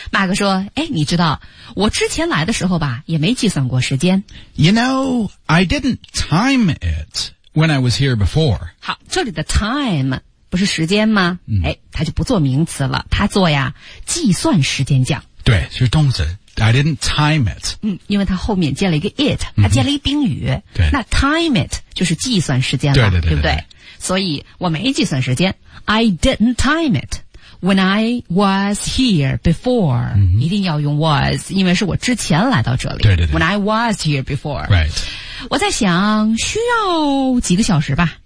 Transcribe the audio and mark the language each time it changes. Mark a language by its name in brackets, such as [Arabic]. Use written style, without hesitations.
[Chinese] 马克说哎，你知道我之前来的时候吧也没计算过时间 [English] You know, I didn't time it when I was here before [Chinese] 好这里的 time 不是时间吗、 mm-hmm. 哎，它就不做名词了它做呀计算时间讲对是动词 [English] I didn't time it. [Chinese] 因为它后面接了一个 it, 它接了一个宾语。对、mm-hmm.。那 [English] time it [Chinese] 就是计算时间了。对对 对, 对, 对不对所以我没计算时间。 [English] I didn't time it when I was here before.、 Mm-hmm. [Chinese] 一定要用 was, 因为是我之前来到这里。对对对。 [English] When I was here before. Right. [Chinese] 我在想需要几个小时吧。